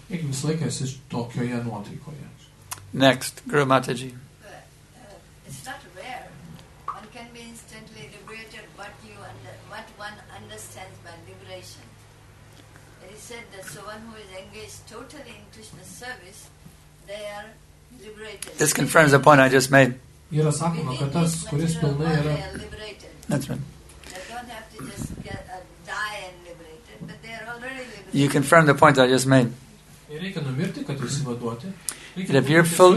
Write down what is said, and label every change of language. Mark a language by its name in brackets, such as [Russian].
[English] Next, Guru Mataji. It's not rare. One can be instantly liberated what one understands by liberation. And he said that so one who is engaged totally in Krishna's service, they are liberated. This confirms the point I just made. [Lithuanian] Yra sakoma, kad tas, kuris pilnai yra... [English] That's right. They don't have to just die and liberated, but they are already liberated. You confirm the point I just made. [Lithuanian] Reikia numirti, kad išsivaduoti.